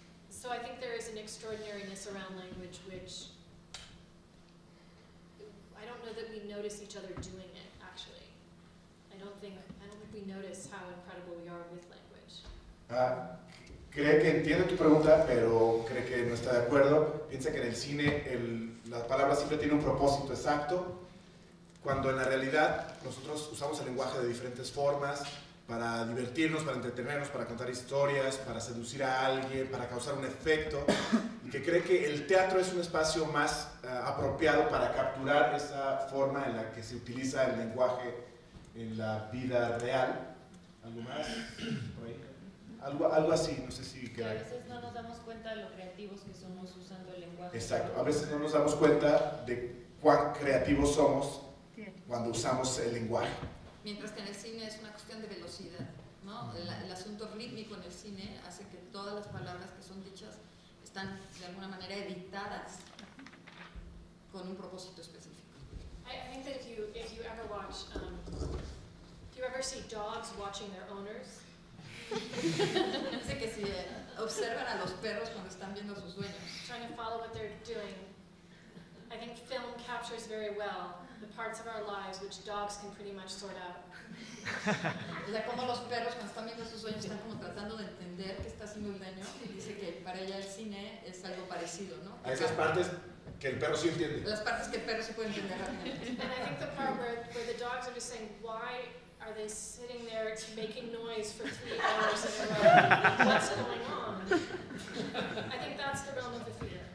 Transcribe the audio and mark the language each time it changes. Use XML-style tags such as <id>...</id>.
<en>So I think there is an extraordinariness around language which I don't know that we notice each other doing it, actually. I don't think we notice how incredible we are with language.</en> <es>Cree que entiendo tu pregunta, pero cree que no está de acuerdo. Piensa que en el cine la palabra siempre tiene un propósito exacto, cuando en la realidad nosotros usamos el lenguaje de diferentes formas para divertirnos, para entretenernos, para contar historias, para seducir a alguien, para causar un efecto, y que cree que el teatro es un espacio más apropiado para capturar esa forma en la que se utiliza el lenguaje en la vida real. ¿Algo más? Algo así, no sé si... Que a veces no nos damos cuenta de lo creativos que somos usando el lenguaje. Exacto, a veces no nos damos cuenta de cuán creativos somos cuando usamos el lenguaje. Mientras que en el cine es una cuestión de velocidad, ¿no? El asunto rítmico en el cine hace que todas las palabras que son dichas están de alguna manera editadas con un propósito específico.</es> <en>I think that if you ever watch, if you ever see dogs watching their owners,</en> <es>dice que si observan a los perros cuando están viendo a sus dueños.</es> <en>Trying to follow what they're doing. I think film captures very well the parts of our lives which dogs can pretty much sort out.</en> <es>O sea, como los perros cuando están viendo a sus dueños están como tratando de entender qué está haciendo el dueño. Y dice que para ella el cine es algo parecido, ¿no? A esas partes que el perro sí entiende. Las partes que el perro sí puede entender.</es> <en>And I think the part where the dogs are just saying, why are they sitting there making noise for 3 hours in a row? What's going on? I think that's the realm of the theater.</en>